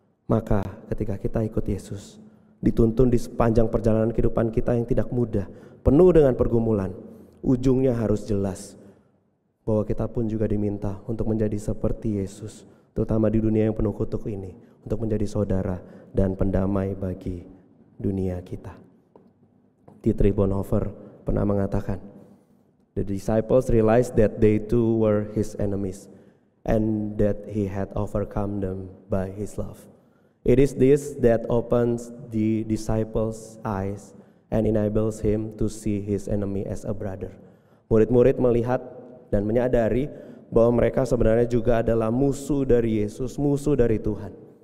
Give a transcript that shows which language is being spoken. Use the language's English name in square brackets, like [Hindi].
[Indonesian] Maka ketika kita ikut Yesus, dituntun di sepanjang perjalanan kehidupan kita yang tidak mudah, penuh dengan pergumulan, ujungnya harus jelas bahwa kita pun juga diminta untuk menjadi seperti Yesus, terutama di dunia yang penuh kutuk ini, untuk menjadi saudara dan pendamai bagi dunia kita. [English] Dietrich Bonhoeffer [Indonesian] pernah mengatakan, [English] "The disciples realized that they too were his enemies and that he had overcome them by his love. It is this that opens the disciples' eyes and enables him to see his enemy as a brother." [Indonesian] Murid-murid melihat dan menyadari bahwa mereka sebenarnya juga adalah musuh dari Yesus, musuh dari Tuhan.